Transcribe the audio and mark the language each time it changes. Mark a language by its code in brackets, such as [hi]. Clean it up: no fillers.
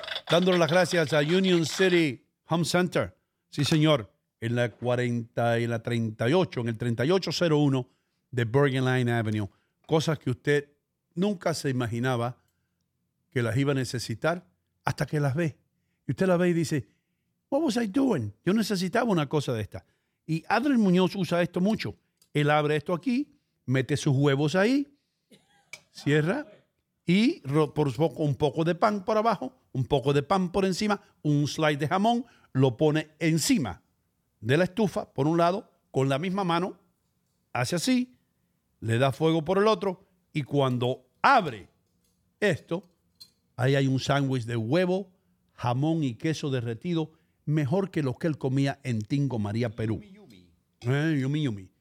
[es] Dándole las gracias a Union City Home Center. Sí, señor. En la 40 y la 38, en el 3801 de Bergen Line Avenue. Cosas que usted nunca se imaginaba que las iba a necesitar hasta que las ve. Y usted las ve y dice, [en] what was I doing? [es] Yo necesitaba una cosa de esta. Y Adrián Muñoz usa esto mucho. Él abre esto aquí, mete sus huevos ahí, cierra y por un poco de pan por abajo, un poco de pan por encima, un slice de jamón, lo pone encima de la estufa, por un lado, con la misma mano, hace así, le da fuego por el otro y cuando abre esto, ahí hay un sándwich de huevo, jamón y queso derretido, mejor que los que él comía en Tingo María, Perú. Yumi, yumi.